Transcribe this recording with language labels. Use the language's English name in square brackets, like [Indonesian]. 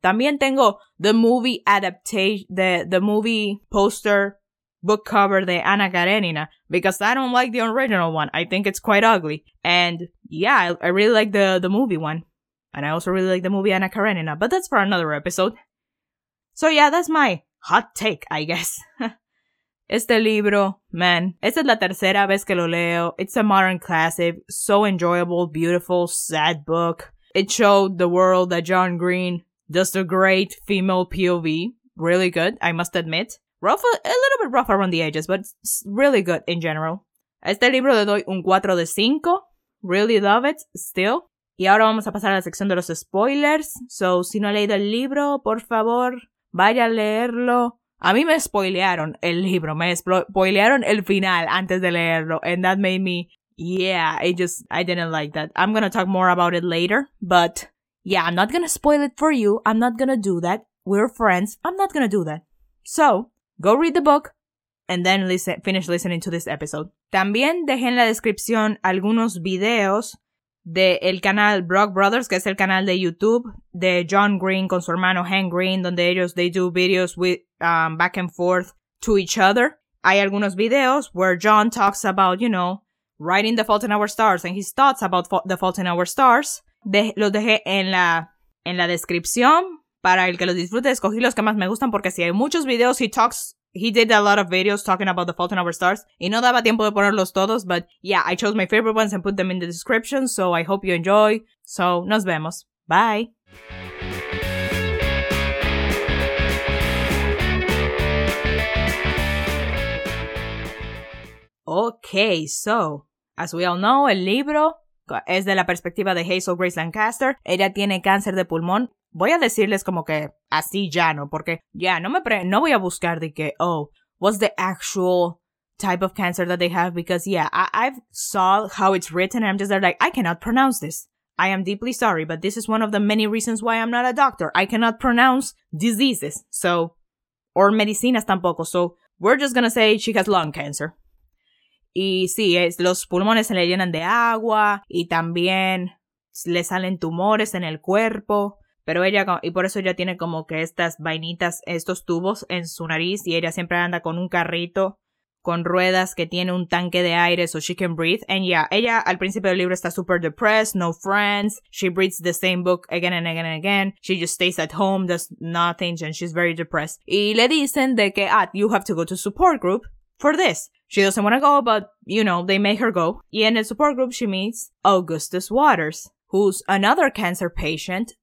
[Spanish] También tengo [English] the movie adaptation, the movie poster book cover de Anna Karenina, because I don't like the original one. I think it's quite ugly. And yeah, I really like the movie one. And I also really like the movie Anna Karenina, but that's for another episode. So yeah, that's my hot take, I guess. [Spanish] Este libro, man, esta es la tercera vez que lo leo. [English] It's a modern classic, so enjoyable, beautiful, sad book. It showed the world that John Green does a great female POV. Really good, I must admit. Rough, a little bit rough around the edges, but it's really good in general. [Spanish] Este libro le doy un 4 de 5. [English] Really love it, still. [Spanish] Y ahora vamos a pasar a la sección de los spoilers. So, si no ha leído el libro, por favor, vaya a leerlo. A mí me spoilearon el libro. Me spoilearon el final antes de leerlo. [English] And that made me, yeah, I didn't like that. I'm gonna talk more about it later. But, yeah, I'm not gonna spoil it for you. I'm not gonna do that. We're friends. I'm not gonna do that. So, go read the book. and then finish listening to this episode. [Spanish] También dejé en la descripción algunos videos de el canal Brock Brothers, que es el canal de YouTube de John Green con su hermano Hank Green, donde ellos [English] they do videos with back and forth to each other. [Spanish] Hay algunos videos [English] where John talks about, you know, writing The Fault in Our Stars and his thoughts about The Fault in Our Stars. [Spanish] Los dejé en la descripción para el que los disfrute. Escogí los que más me gustan porque si hay muchos videos, [English] he did a lot of videos talking about The Fault in Our Stars [Spanish] y no daba tiempo de ponerlos todos, [English] but yeah, I chose my favorite ones and put them in the description, so I hope you enjoy. So, [Spanish] nos vemos. [English] Bye! [Spanish] Okay, so, [English] as we all know, [Spanish] el libro es de la perspectiva de Hazel Grace Lancaster. Ella tiene cáncer de pulmón. Voy a decirles como que así ya no, porque ya no me no voy a buscar de que, oh, [English] what's the actual type of cancer that they have? Because, yeah, I've saw how it's written, and I'm just there like, I cannot pronounce this. I am deeply sorry, but this is one of the many reasons why I'm not a doctor. I cannot pronounce diseases, so, or [Spanish] medicinas tampoco. [English] So, we're just gonna say she has lung cancer. [Spanish] Y sí, los pulmones se le llenan de agua y también le salen tumores en el cuerpo. Pero ella, y por eso ella tiene como que estas vainitas, estos tubos en su nariz. Y ella siempre anda con un carrito con ruedas que tiene un tanque de aire, [English] so she can breathe. [Spanish] And yeah, ella al principio del libro está super [English] depressed, no friends. She reads the same book again and again and again. She just stays at home, does nothing, and she's very depressed. [Spanish] Y le dicen de que, [English] you have to go to support group for this. She doesn't want to go, but, you know, they make her go. [Spanish] Y en el [English] support group she meets Augustus Waters, who's another cancer patient.